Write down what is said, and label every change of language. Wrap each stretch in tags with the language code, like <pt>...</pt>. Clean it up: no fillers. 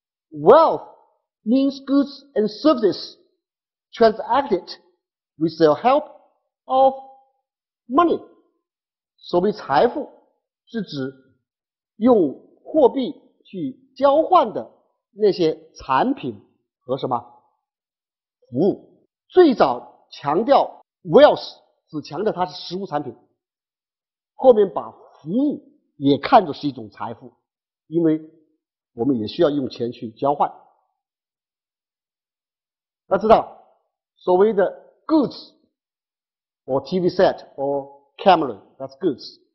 <en>Wealth means goods and services transacted with the help of money.</en> <zh>所谓财富，是指用 货币去交换的那些产品和什么服务，最早强调 wealth 只强调它是实物产品，后面把服务也看作是一种财富，因为我们也需要用钱去交换。要知道，所谓的</zh> <en>goods or TV set or camera, that's goods.</en>